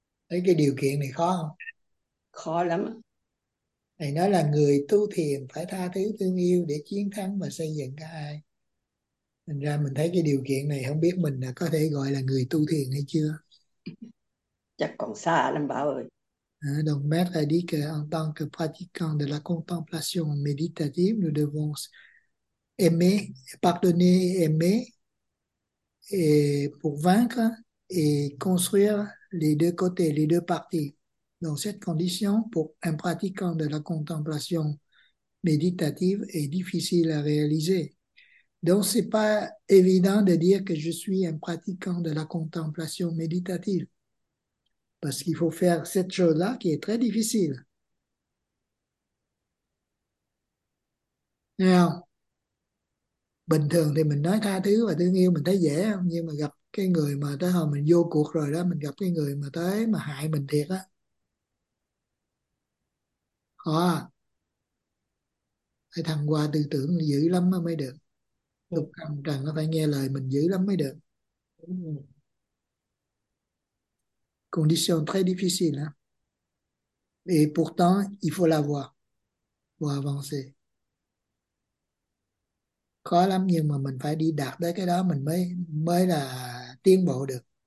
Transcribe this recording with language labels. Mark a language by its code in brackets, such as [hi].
[vi] Thấy cái điều kiện này khó không? Khó lắm. Này nói là người tu thiền phải tha thứ thương yêu để chiến thắng và xây dựng cả hai. Thành ra mình thấy cái điều kiện này không biết mình là có thể gọi là người tu thiền hay chưa. Chắc còn xa lắm Bảo ơi. [fr] Donc Maître a dit que en tant que pratiquant de la contemplation méditative, nous devons aimer, pardonner, aimer et pour vaincre et construire les deux côtés, les deux parties. Dans cette condition, pour un pratiquant de la contemplation méditative, est difficile à réaliser. Donc, ce n'est pas évident de dire que je suis un pratiquant de la contemplation méditative, parce qu'il faut faire cette chose-là qui est très difficile. [vi] Alors, bình thường thì mình nói tha thứ và thương yêu mình thấy dễ không? Nhưng mà gặp cái người mà tới hồi mình vô cuộc rồi đó, mình gặp cái người mà tới mà hại mình thiệt á. À, cái thằng qua tư tưởng dữ lắm mới được. Lúc thằng trần nó phải nghe lời mình dữ lắm mới được. [fr] Condition très difficile. Hein? Et pourtant, il faut l'avoir pour avancer. [vi] Khó lắm nhưng mà mình phải đi đạt tới cái đó mình mới mới là tiến bộ được.